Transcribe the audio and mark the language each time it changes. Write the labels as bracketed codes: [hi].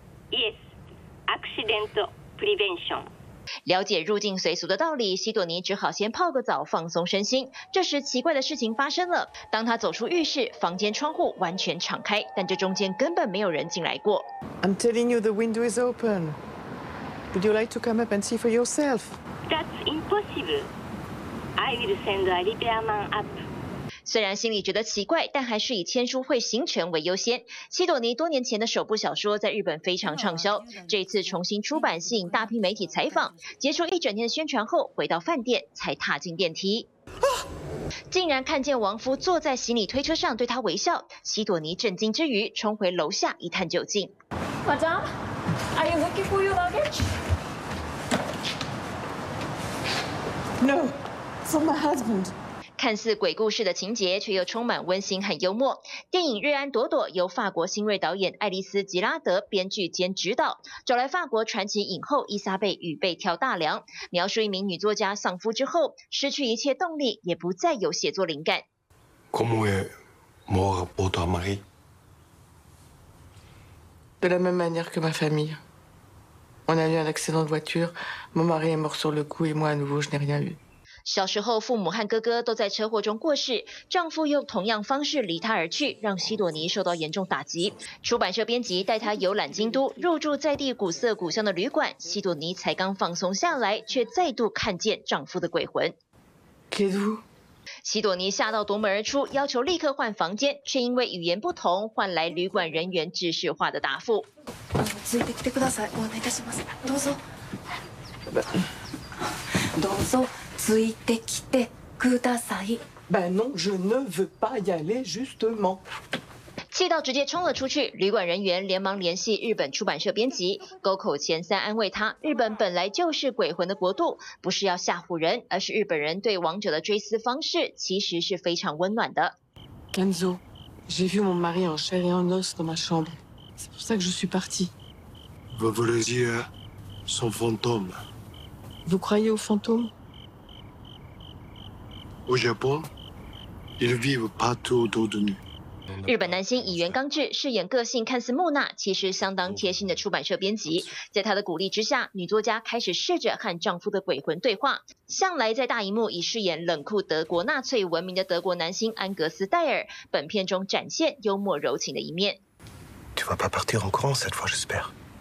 [en] Yes. Accident prevention. [zh] 了解入境随俗的道理，西朵尼只好先泡个澡放松身心。这时奇怪的事情发生了，当他走出浴室，房间窗户完全敞开，但这中间根本没有人进来过。 [en] I'm telling you the window is open. Would you like to come up and see for yourself? That's impossible. I will send a repairman up. [zh] 虽然心里觉得奇怪，但还是以签书会行程为优先。西朵尼多年前的首部小说在日本非常畅销，这一次重新出版吸引大批媒体采访。结束一整天的宣传后，回到饭店才踏进电梯。竟然看见亡夫坐在行李推车上对他微笑，西朵尼震惊之余冲回楼下一探究竟。 [en] Madame, are you looking for your luggage? No, for my husband. [zh] 看似鬼故事的情节，却又充满温馨和幽默。电影《瑞安朵朵》由法国新锐导演爱丽丝·吉拉德编剧兼执导，找来法国传奇影后伊莎贝与贝挑大梁，描述一名女作家丧夫之后失去一切动力，也不再有写作灵感。 [fr] Comment est mort pour toi, Marie? De la même manière que ma famille. On a eu un accident de voiture. Mon mari est mort sur le coup et moi à nouveau, je n'ai rien eu. [zh] 小时候父母和哥哥都在车祸中过世，丈夫用同样方式离他而去，让西朵尼受到严重打击。出版社编辑带他游览京都，入住在地古色古香的旅馆，西朵尼才刚放松下来，却再度看见丈夫的鬼魂。西朵尼吓到夺门而出，要求立刻换房间，却因为语言不同换来旅馆人员知识化的答复。 [ja] ついてきてください。お願いいたします。どうぞ。どうぞ。ついてきてください。 [fr] Ben non, je ne veux pas y aller justement。 [zh] 气到直接冲了出去，旅馆人员连忙联系日本出版社编辑，沟口前三安慰他：日本本来就是鬼魂的国度，不是要吓唬人，而是日本人对亡者的追思方式其实是非常温暖的。 [fr] Kenzo, j'ai vu mon mari en chair et en os dans ma chambre. C'est pour ça que je suis parti. Vous voulez dire son fantôme? Vous croyez aux fantômes? Au Japon, ils vivent partout autour de nous. [zh] 日本男星乙原刚志饰演个性看似木讷，其实相当贴心的出版社编辑。在他的鼓励之下，女作家开始试着和丈夫的鬼魂对话。向来在大荧幕以饰演冷酷德国纳粹闻名的德国男星安格斯戴尔，本片中展现幽默柔情的一面。 [fr] Tu vas pas partir en courant cette fois, j'espère.